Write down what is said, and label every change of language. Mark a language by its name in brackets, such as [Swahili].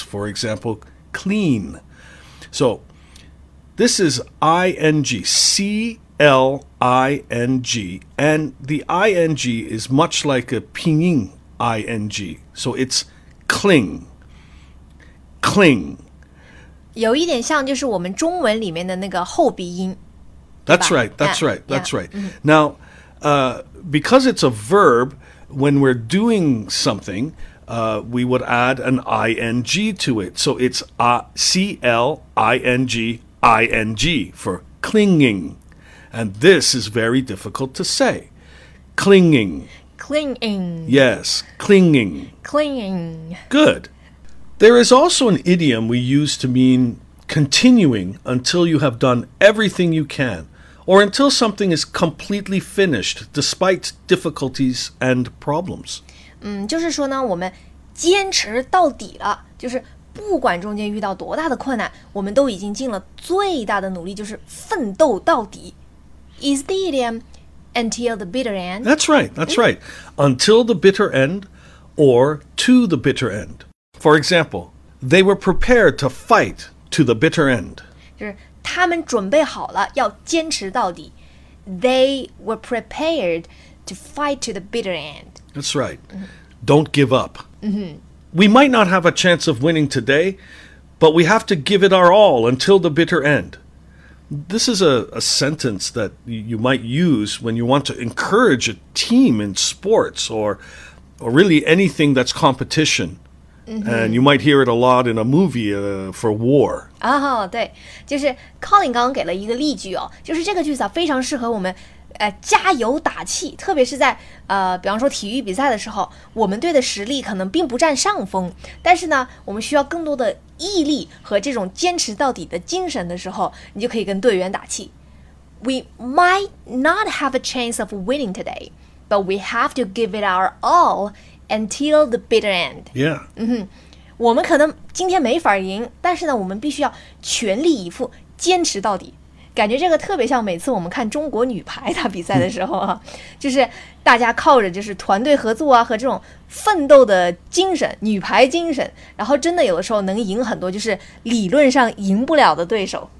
[English] For example, clean. So, this is ing, C-L-I-N-G, and the ing is much like a pinyin ing, so it's cling, cling. [Chinese] 有一点像就是我们中文里面的那个后鼻音。 [English] That's right, that's right, that's right. Now, because it's a verb, when we're doing something, we would add an ing to it. So it's C-L-I-N-G-ing for clinging. And this is very difficult to say. Clinging. Clinging. Yes, clinging. Clinging. Good. There is also an idiom we use to mean continuing until you have done everything you can, or until something is completely finished, despite difficulties and problems. [Chinese] 就是说呢，我们坚持到底了，就是不管中间遇到多大的困难，我们都已经尽了最大的努力，就是奋斗到底。 [English] Is the idiom until the bitter end? That's right, that's right. Until the bitter end or to the bitter end. For example, they were prepared to fight to the bitter end. [Chinese] 就是他们准备好了要坚持到底。 [English] They were prepared to fight to the bitter end. That's right. Don't give up. Mm-hmm. We might not have a chance of winning today, but we have to give it our all until the bitter end. This is a sentence that you might use when you want to encourage a team in sports or really anything that's competition. Mm-hmm. And you might hear it a lot in a movie for war. [Chinese] 对，就是 Colin 刚刚给了一个例句哦，就是这个句子啊非常适合我们加油打气，特别是在比方说体育比赛的时候，我们队的实力可能并不占上风，但是呢，我们需要更多的毅力和这种坚持到底的精神的时候，你就可以跟队员打气。 [English] We might not have a chance of winning today, but we have to give it our all. Until the bitter end. Yeah. [Chinese] 我们可能今天没法赢，但是呢，我们必须要全力以赴，坚持到底。感觉这个特别像每次我们看中国女排打比赛的时候啊，就是大家靠着就是团队合作啊和这种奋斗的精神，女排精神，然后真的有的时候能赢很多就是理论上赢不了的对手。